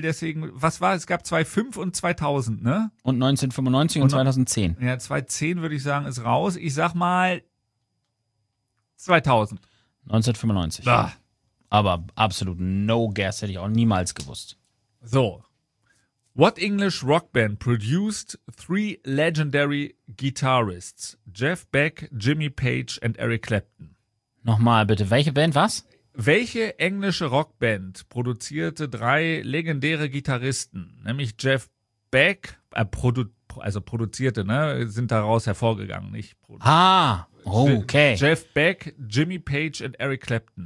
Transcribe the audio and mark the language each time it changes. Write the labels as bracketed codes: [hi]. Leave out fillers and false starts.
[de] Deswegen, was war es? Es gab 2005 und 2000, ne? Und 1995 und 2010. Ja, 2010 würde ich sagen, ist raus. Ich sag mal 2000. 1995. Bah. Aber absolut [en] no guess, [de] hätte ich auch niemals gewusst. [en] So. What English rock band produced three legendary guitarists? Jeff Beck, Jimmy Page and Eric Clapton. [de] Nochmal bitte, welche Band, was? Welche englische Rockband produzierte drei legendäre Gitarristen, nämlich Jeff Beck, sind daraus hervorgegangen, nicht produziert. Ah, okay. Jeff Beck, Jimmy Page und Eric Clapton.